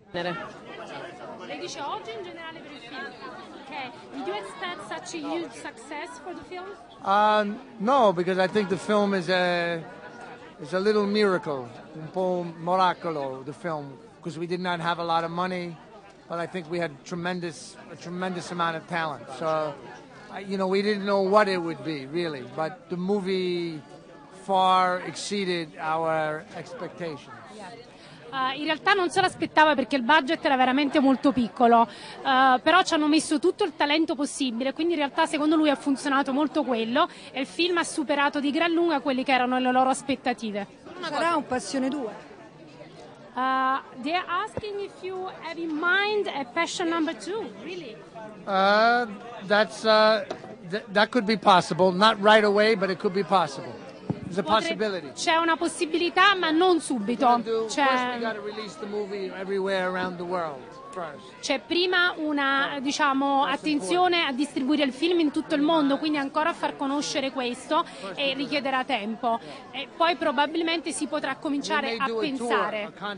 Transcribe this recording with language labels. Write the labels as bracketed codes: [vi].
[it] Lei dice oggi in generale per il film. Okay. [en] Did you expect such a huge success for the film? No, because I think the film is a little miracle, [it] un po' miracolo, [en] the film, because we did not have a lot of money, but I think we had a tremendous amount of talent. So, we didn't know what it would be really, but the movie far exceeded our expectations. Yeah. [it] In realtà non se l'aspettava perché il budget era veramente molto piccolo, però ci hanno messo tutto il talento possibile, quindi in realtà secondo lui ha funzionato molto quello e il film ha superato di gran lunga quelle che erano le loro aspettative. Sarà un Passione 2? [en] They're asking if you have in mind a Passion number 2, really? That could be possible, not right away, but it could be possible. [it] C'è una possibilità, ma non subito. C'è prima una, diciamo, attenzione a distribuire il film in tutto il mondo, quindi ancora a far conoscere questo, e richiederà tempo. E poi probabilmente si potrà cominciare a pensare.